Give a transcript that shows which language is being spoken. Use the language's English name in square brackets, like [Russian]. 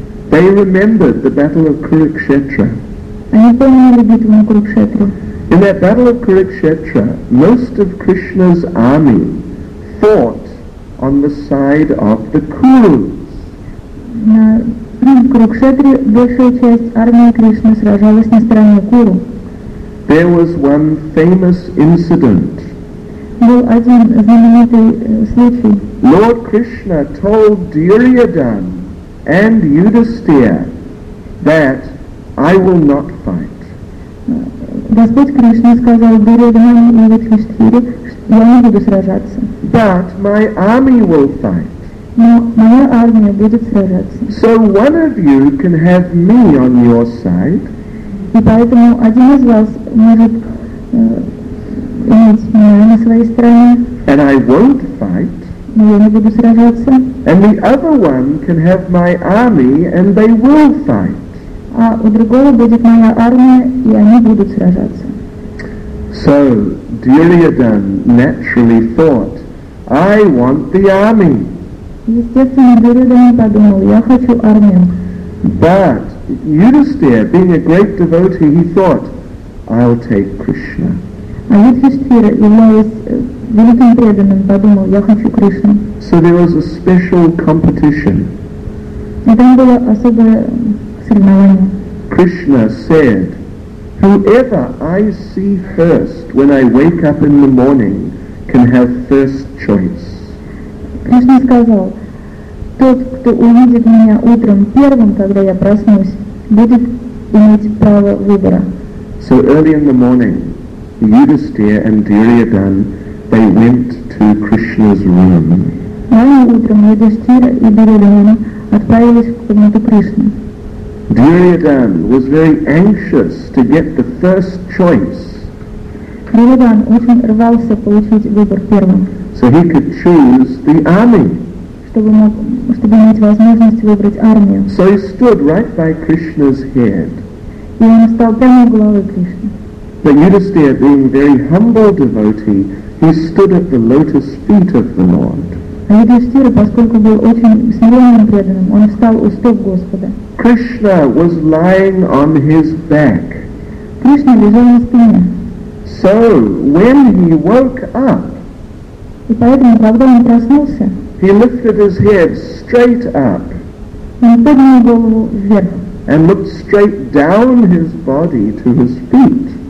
[English] They remembered the battle of Kurukshetra. [Russian] Они помнили битву на Курукшетре. [English] In that battle of Kurukshetra, most of Krishna's army fought on the side of the Kuruvas. [Russian] Kurukshetra, большая часть армии Кришны сражалась на стороне Куру. [English] There was one famous incident. [Russian] Был один знаменитый случай. [English] Lord Krishna told Duryodhana and Yudhisthira that I will not fight. [Russian] Господь Кришна сказал Дурьодхане и Юдхиштхире, что я не буду сражаться. [English] But my army will fight. [Russian] Но моя армия будет сражаться. [English] So one of you can have me on your side. [Russian] И поэтому один из вас может иметь меня на своей стороне. [English] And I won't fight. [Russian] Но я не буду сражаться. [English] And the other one can have my army and they will fight. [Russian] А у другого будет моя армия и они будут сражаться. [English] So Duryodhana naturally thought, I want the army. [Russian] Естественно, Дурьодхана подумал, я хочу армию. [English] But Yudhisthira, being a great devotee, he thought, I'll take Krishna. [Russian] А Юдхиштхира, являясь великим преданным, подумал, я хочу Кришну. [English] So there was a special competition. [Russian] И там было особое соревнование. [English] Krishna said, whoever I see first when I wake up in the morning can have first choice. [Russian] Кришна сказал, тот, кто увидит меня утром первым, когда я проснусь, будет иметь право выбора. [English] So early in the morning, Yudhisthira and Duryodhana, they went to Krishna's room. [Russian] Рано утром Юдхиштхира и Дурьодхана отправились в комнату Кришны. [English] Duryodhana was very anxious to get the first choice. [Russian] Дурьодхана очень рвался получить выбор первым. [English] So he could choose the army. [Russian] Чтобы иметь возможность выбрать армию. [English] So he stood right by Krishna's head. [Russian] И он стал прямо у головы Кришны. [English] But Yudhisthira, being very humble devotee, he stood at the lotus feet of the Lord. [Russian] А Юдхиштхира, поскольку был очень смиренным преданным, он встал у стоп Господа. [English] Krishna was lying on his back. [Russian] Кришна лежал на спине. [English] So when he woke up. [Russian] И поэтому, когда он проснулся, [English] he lifted his head straight up. [Russian] Он поднял голову вверх. [English] And looked straight down his body to his feet.